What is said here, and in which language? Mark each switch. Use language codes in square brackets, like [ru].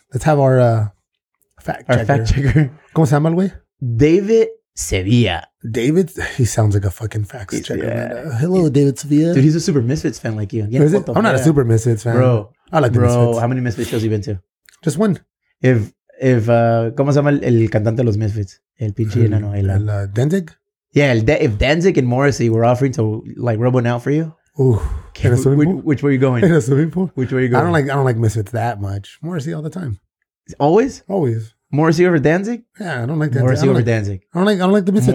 [en] Let's have our fact checker. [es] ¿Cómo se llama el güey? [en] David Sevilla. David, he sounds like a fucking fax checker. Yeah. Hello, yeah. David Sevilla. Dude, he's a Super Misfits fan like you. Yeah, I'm not a Super Misfits fan. Bro. I like bro, the Misfits. Bro, how many Misfits shows you been to? Just one. [es] ¿Cómo se llama el cantante de los Misfits? El pinche enano. [en] Danzig? Yeah, if Danzig and Morrissey were offering to like rub one out for you. Ooh. In a swimming pool? Which way are you going? In a swimming pool? Which way are you going? I don't like Misfits that much. Morrissey all the time. Always? Always. Morrissey over Danzig? Yeah, I don't like that. Morrissey over like, Danzig. I don't like the Misfits.